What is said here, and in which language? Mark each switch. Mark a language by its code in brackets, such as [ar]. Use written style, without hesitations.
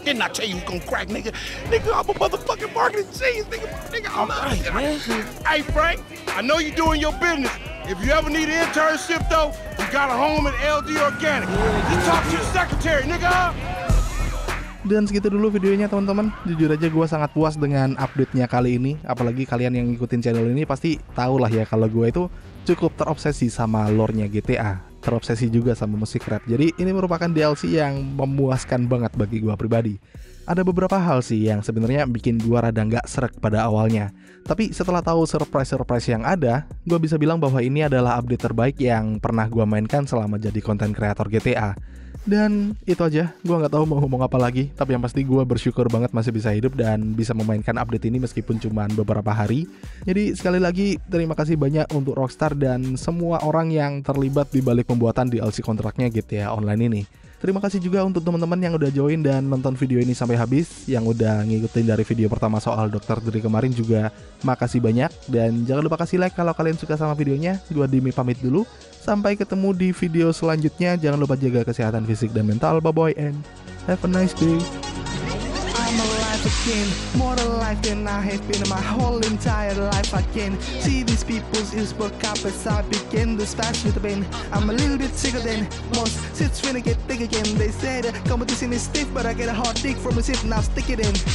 [en] Didn't I tell you it was gonna crack, nigga? Nigga, I'm a motherfucking marketing genius, nigga. Nigga, I'm right, man. Hey, Frank, I know you're doing your business. If you ever need an internship, though, you got a home at LD Organics. Talk to your secretary, nigga. [id] Dan segitu dulu videonya teman-teman. Jujur aja gue sangat puas dengan update-nya kali ini. Apalagi kalian yang ngikutin channel ini pasti tau lah ya kalau gue itu cukup terobsesi sama lore-nya GTA. Terobsesi juga sama musik rap. Jadi ini merupakan DLC yang memuaskan banget bagi gue pribadi. Ada beberapa hal sih yang sebenarnya bikin gue rada gak serak pada awalnya. Tapi setelah tahu surprise-surprise yang ada, gue bisa bilang bahwa ini adalah update terbaik yang pernah gue mainkan selama jadi konten kreator GTA. Dan itu aja, gue gak tahu mau ngomong apa lagi, tapi yang pasti gue bersyukur banget masih bisa hidup dan bisa memainkan update ini meskipun cuma beberapa hari. Jadi sekali lagi, terima kasih banyak untuk Rockstar dan semua orang yang terlibat di balik pembuatan DLC kontraknya GTA Online ini. Terima kasih juga untuk teman-teman yang udah join dan nonton video ini sampai habis, yang udah ngikutin dari video pertama soal Dr. Dre kemarin juga, makasih banyak. Dan jangan lupa kasih like kalau kalian suka sama videonya. Gua Dimi pamit dulu, sampai ketemu di video selanjutnya. Jangan lupa jaga kesehatan fisik dan mental. [en] Bye bye and have a nice day. Again, more alive than I have been in my whole entire life. I can see these people's ears perk up as I begin to splash with the pain. I'm a little bit sicker than most, shit's finna get thick again. They say the competition is stiff, but I get a hard dick from a sip and I'll stick it in.